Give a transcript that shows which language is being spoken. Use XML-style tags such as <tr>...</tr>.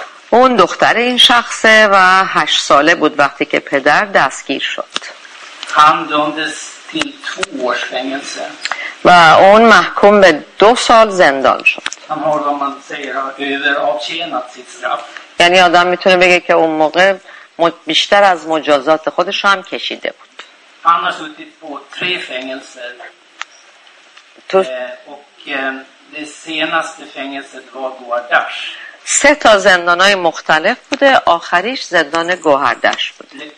<fa>اون دختر این شخصه و 8 ساله بود وقتی که پدر دستگیر شد.</fa> <sv>هم دوندس تیل 2 års fängelse.</sv> <fa>و اون محکوم به 2 سال زندان شد.</fa> <sv>Han har då man säger över avtjänat sitt straff.</sv> <fa>یعنی آدم میتونه بگه که اون موقع بیشتر از مجازات خودش هم کشیده بود.</fa> <sv>Han har suttit på 3 fängelser. Och det senaste fängelset var Gohardash.</sv> <fa>3 تا زندانای مختلف بوده، آخریش زندان گوهردش بود.</fa>